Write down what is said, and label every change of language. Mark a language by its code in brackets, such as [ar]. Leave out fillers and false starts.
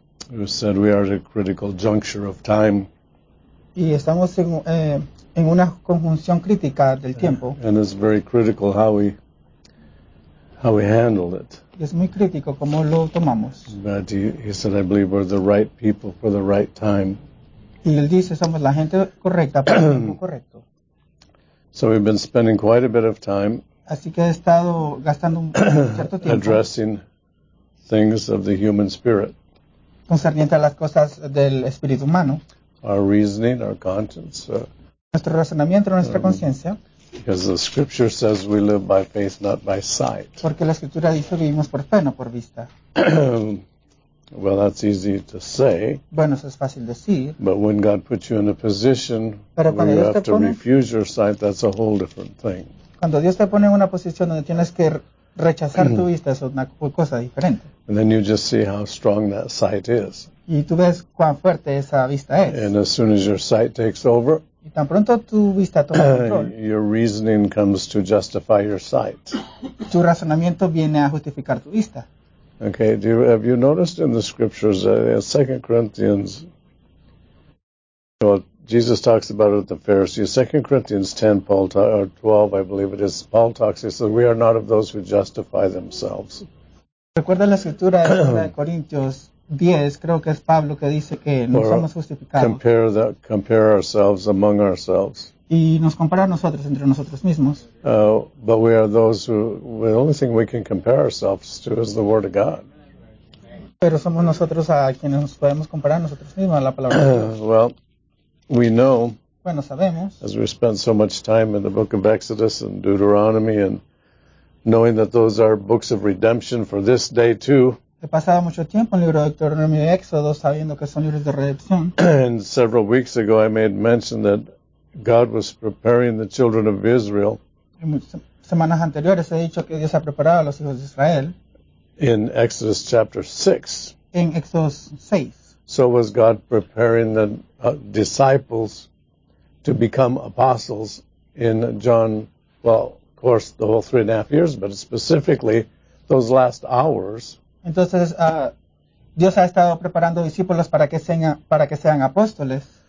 [en] Who said we are at a critical juncture of time. [es] Y estamos en una conjunción crítica del tiempo. [en] And it's very critical how we handle it. [es] Y es muy crítico cómo lo tomamos. [en] But he said, I believe we're the right people for the right time. [es] Y él dice, somos la gente correcta para el tiempo correcto. [en] So we've been spending quite a bit of time. [es] Así que he estado gastando un cierto tiempo. [en] Addressing things of the human spirit. [es] Concerniente a las cosas del espíritu humano. [en] Our reasoning, our conscience. [es] Nuestro razonamiento, nuestra conciencia. [en] Because the scripture says we live by faith, not by sight. [es] Porque la escritura dice vivimos por fe, no por vista. [en] Well, that's easy to say. [es] Bueno, eso es fácil decir. [en] But when God puts you in a position [es] pero [en] where you [es] Dios [en] have to [es] pone, [en] refuse your sight, that's a whole different thing. [es] Cuando Dios te pone en una posición donde tienes que rechazar tu vista, es una cosa diferente. [en] And then you just see how strong that sight is. [es] Y tú ves cuán fuerte esa vista es. [en] And as soon as your sight takes over, [es] y tan pronto tu vista toma control, [en] your reasoning comes to justify your sight. [es] Tu razonamiento viene a justificar tu vista. [en] Okay, have you noticed in the scriptures, in 2 Corinthians, well, Jesus talks about it at the Pharisees, 2 Corinthians 10, Paul or 12, I believe it is, Paul talks, he says, we are not of those who justify themselves. [es] Recuerda la escritura de 2 Corintios 10, creo que es Pablo que dice que no somos justificados. [en] Compare ourselves among ourselves. [es] Y nos compara a nosotros entre nosotros mismos. [en] But we are those who, well, the only thing we can compare ourselves to is the Word of God. [es] Pero somos nosotros a quienes nos podemos comparar a nosotros mismos a la Palabra de Dios. [en] Well, we know, [es] bueno, sabemos, [en] as we spend so much time in the book of Exodus and Deuteronomy and knowing that those are books of redemption for this day too. [es] he pasado mucho tiempo en el libro de Deuteronomio y Éxodo sabiendo que son libros de redención. [en] And several weeks ago I made mention that God was preparing the children of Israel. [es] Y muchas semanas anteriores he dicho que Dios ha preparado a los hijos de Israel. [en] In Exodus chapter 6. [es] En Éxodo 6. [en] So was God preparing the disciples to become apostles in John, well, of course, the whole 3.5 years, but specifically those last hours. [es] Entonces, Dios ha estado preparando discípulos para que sean apóstoles.